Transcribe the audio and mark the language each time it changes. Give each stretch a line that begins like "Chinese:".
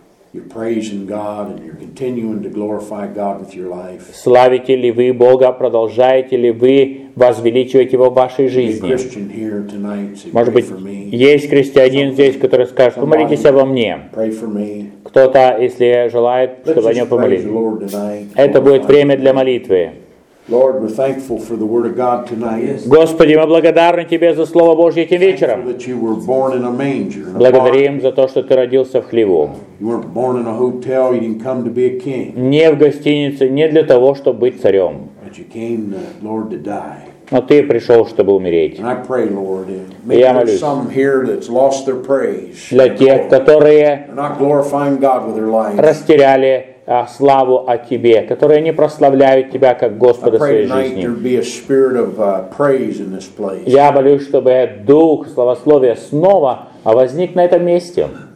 Russian: Славите ли вы Бога, продолжаете ли вы возвеличивать Его в вашей жизни? Может быть, есть христианин здесь, который скажет, помолитесь обо мне. Кто-то, если желает, чтобы о нем помолились. Это будет время для молитвы.
English: Lord, we're thankful for the word of God tonight.
Russian: Господи, мы благодарны Тебе за Слово Божье этим вечером.
English: That you were born in a manger.
Russian: Благодарим за то, что Ты родился в хлеву.
English: You weren't born in a hotel. You didn't come to be a king.
Russian: Не в гостинице, не для того, чтобы быть царем.
English: But you came, Lord, to die.
Russian: Но Ты пришел, чтобы умереть.
English: And I pray, Lord, maybe there's some here that's lost their praise.
Russian: Для тех, которые растеряли славу о Тебе, которые не прославляют Тебя как Господа в своей жизни. Я молюсь, чтобы Дух славословия снова возник на этом месте.